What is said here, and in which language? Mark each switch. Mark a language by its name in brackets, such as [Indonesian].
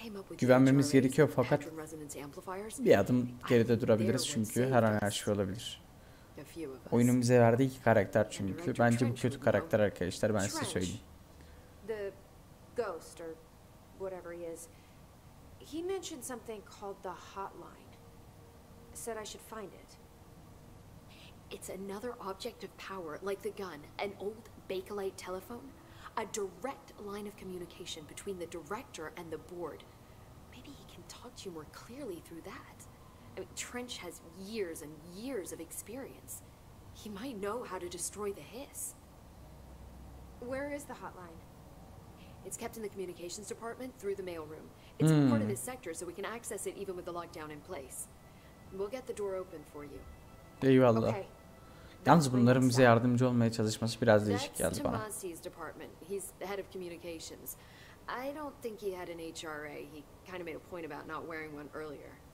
[Turkish] Güvenmemiz gerekiyor fakat bir adım geride durabiliriz çünkü her an her şey olabilir. Oyunun bize verdiği iki karakter çünkü. Bence bu kötü karakter arkadaşlar, ben size söyleyeyim. [English] The ghost or whatever he is. He mentioned something called the hotline. Said I should find it. It's another object of power, like the gun, an old Bakelite telephone, a direct line of communication between the director and the board. Maybe he can talk to you more clearly through that. I mean, Trench has years and years of experience. He might know how to destroy the hiss. Where is the hotline? It's kept in the communications department through the mailroom. It's part of this sector, so we can access it even with the lockdown in place. We'll get the door open for you. [Turkish] Eyvallah. Okay. Yalnız bunların bize yardımcı olmaya çalışması biraz değişik geldi bana. [English] That's Tomasi's department. He's the head of communications. I don't think he had an HRA. He kind of made a point about not wearing one earlier.